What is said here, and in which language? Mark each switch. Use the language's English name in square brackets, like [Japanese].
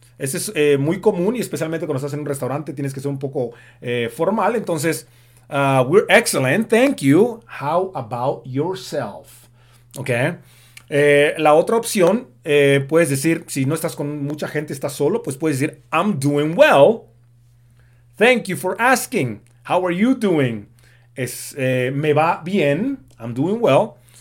[Spanish] Ese es muy común, y especialmente cuando estás en un restaurante tienes que ser un poco formal. Entonces, [English] we're excellent, thank you. How about yourself? Okay. [Spanish] La otra opción, puedes decir, si no estás con mucha gente, estás solo, pues puedes decir, [English] I'm doing well. Thank you for asking. How are you doing? [Spanish] Me va bien. [English] I'm doing well.